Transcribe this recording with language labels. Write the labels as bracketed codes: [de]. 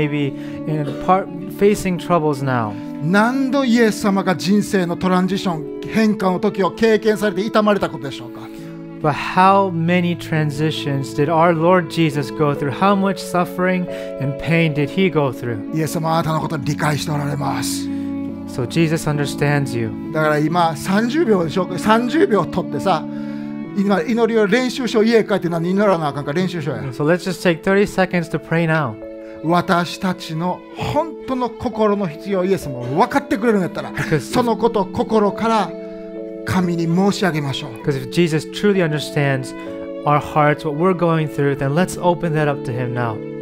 [ja] どうぞ皆さん座ってください。一緒に祈りましょう。今静かな時間を持ってオープンアップする心を開く時間を持ちましょう。人生のトランジションの中にあって苦しんでいる人、どうすればいいかわからない人、悩みがあるかもしれません。何度イエス様が人生のトランジション変化の時を経験されて、痛まれたことでしょうか。 [en] But how many transitions did our Lord Jesus go through? How much suffering and pain did he go through? [ja] イエス様はあなたのことを理解しておられます。 [en] So Jesus understands you. [ja] だから今30秒でしょ。30秒取ってさ、今祈りを練習しよう。家帰って何祈らなあかんか練習しようや。 [en] So let's just take 30 seconds to pray now. [ja] 私たちの本当の心の必要をイエス様が分かってくれるんだったら、そのことを心から神に申し上げましょう。 [en] Because if Jesus truly understands our hearts, what we're going through, then let's open that up to him now.